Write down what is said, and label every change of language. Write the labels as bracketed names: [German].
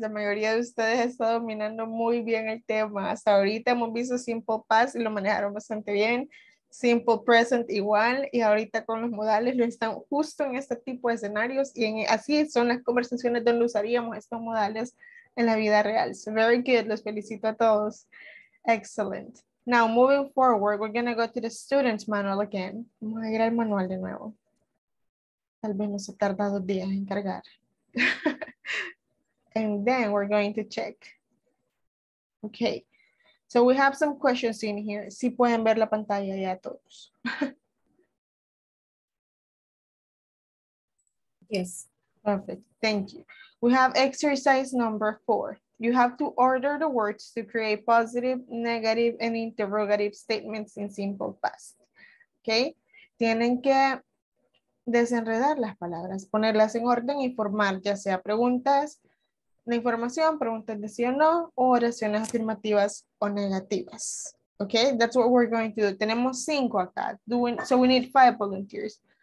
[Spanish] La mayoría de ustedes está dominando muy bien el tema. Hasta ahorita hemos visto Simple Past y lo manejaron bastante bien. Simple Present igual. Y ahorita con los modales lo están justo en este tipo de escenarios. Y en, así son las conversaciones donde usaríamos estos modales en la vida real. [English] So very good. [Spanish] Los felicito a todos. [English] Excellent. Now, moving forward, we're going to go to the student's manual again. [Spanish] Vamos a ir al manual de nuevo. Tal vez nos ha tardado días en cargar. [English] And then we're going to check. Okay, so we have some questions in here. [Spanish] Si pueden ver la pantalla ya todos. [English] Yes. Perfect, thank you. We have exercise number 4. You have to order the words to create positive, negative, and interrogative statements in simple past. [Spanish] Okay, tienen que desenredar las palabras, ponerlas en orden y formar ya sea preguntas de información, preguntas de sí o no, o oraciones afirmativas o negativas. [English] Okay, that's what we're going to do. [Spanish] Tenemos 5 acá. [English] So we need 5 volunteers.